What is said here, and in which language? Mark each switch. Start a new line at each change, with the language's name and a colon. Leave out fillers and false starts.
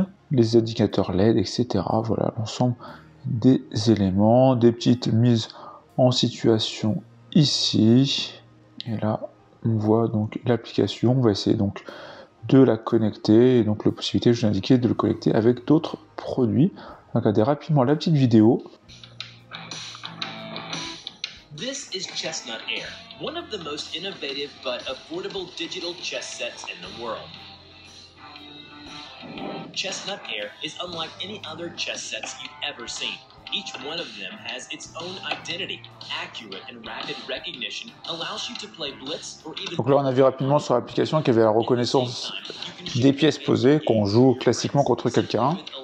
French: Les indicateurs LED, etc. Voilà l'ensemble des éléments, des petites mises en situation ici. Et là, on voit donc l'application. On va essayer donc de la connecter. Et donc, la possibilité, je vous indiquais, de le connecter avec d'autres produits. Regardez rapidement la petite vidéo.
English: This is Chessnut Air, one of the most innovative but affordable digital chess sets in the world. Chessnut Air is unlike any other chess sets you've ever seen. Each one of them has its own identity. Accurate and rapid recognition allows you to play blitz or even...
French: Donc là, on a vu rapidement sur l'application qu'il y avait la reconnaissance des pièces posées qu'on joue classiquement contre quelqu'un.